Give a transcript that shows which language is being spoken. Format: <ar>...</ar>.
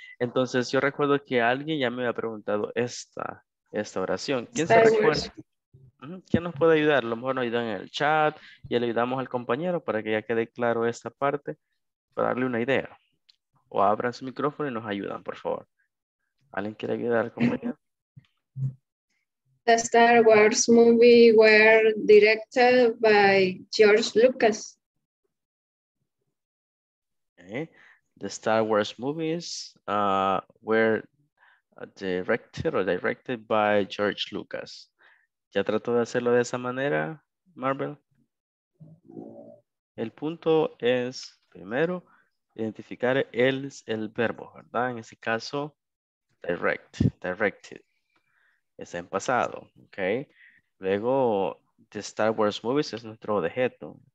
<es>Entonces, yo recuerdo que alguien ya me había preguntado esta oración. ¿Quién se recuerda? ¿Quién nos puede ayudar? A lo mejor nos ayudan en el chat y le ayudamos al compañero para que ya quede claro esta parte, para darle una idea. O abran su micrófono y nos ayudan, por favor. ¿Alguien quiere ayudar, compañero?</es> <en>The Star Wars movie were directed by George Lucas. Okay. The Star Wars movies were directed by George Lucas.</en> <es>¿Ya trató de hacerlo de esa manera, Marvel? El punto es, primero, identificar el verbo, ¿verdad? En ese caso, directed. Es en pasado, ¿ok? Luego,</es> <en>the Star Wars movies</en> <es>es nuestro objeto.</es>